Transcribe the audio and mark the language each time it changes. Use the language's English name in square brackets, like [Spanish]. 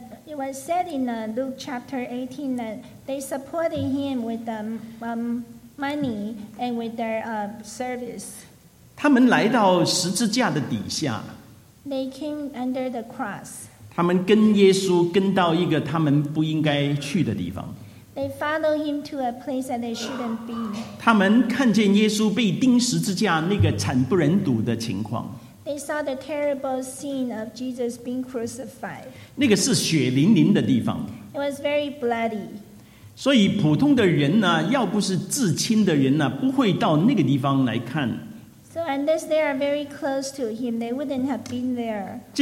[English] It was said in Luke chapter 18 that they supported him with the money and with their service. [Chinese] 他们来到十字架的底下。 [English] They came under the cross. [Chinese] 他们跟耶稣跟到一个他们不应该去的地方。 [English] They follow him to a place that they shouldn't be. [Chinese] 他们看见耶稣被钉十字架那个惨不忍睹的情况。 [English] They saw the terrible scene of Jesus being crucified. [Chinese] 那个是血淋淋的地方。 [English] It was very bloody. [Chinese] 所以普通的人呢，要不是至亲的人呢，不会到那个地方来看。 [English] So unless they are very close to him, they wouldn't have been there.